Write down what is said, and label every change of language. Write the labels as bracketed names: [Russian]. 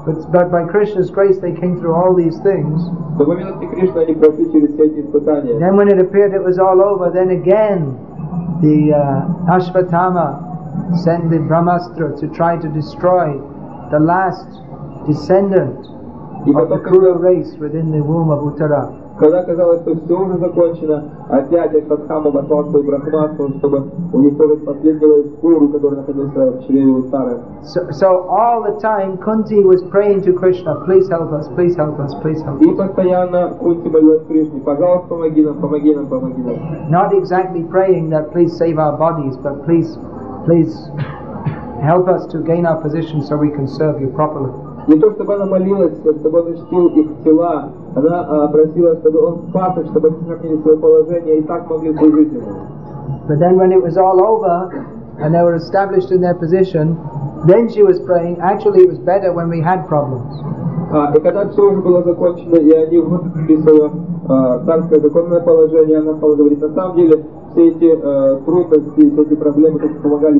[English] But by Krishna's grace they came through all these things. Then when it appeared it was all over, then again the Ashvatthama sent the Brahmastra to try to destroy the last descendant of the Kuru race within the womb of Uttara. [Russian] Когда казалось, что все уже закончено, опять Ашватхама послал свою Брахмастру, чтобы уничтожить последнего из Куру, который находился в чреве Уттары. [English] So all the time Kunti was praying to Krishna, please help us, please help us, please help us. [Russian] И постоянно Кунти молилась Кришне, пожалуйста, помоги нам, помоги нам, помоги нам. [English] Not exactly praying that please save our bodies, but please, please help us to gain our position so we can serve you properly. [Russian] Не то чтобы она молилась, чтобы он защитил их тела. Она просила, чтобы он спас их, чтобы они сохранили свое положение и так могли служить ему. [English] But then when it was all over and they were established in their position, then she was praying. Actually, it was better when we had problems. [Russian] И когда все уже было закончено, и они вышли из своего царское законное положение, она стала говорить, на самом деле все эти трудности, все эти проблемы только помогали.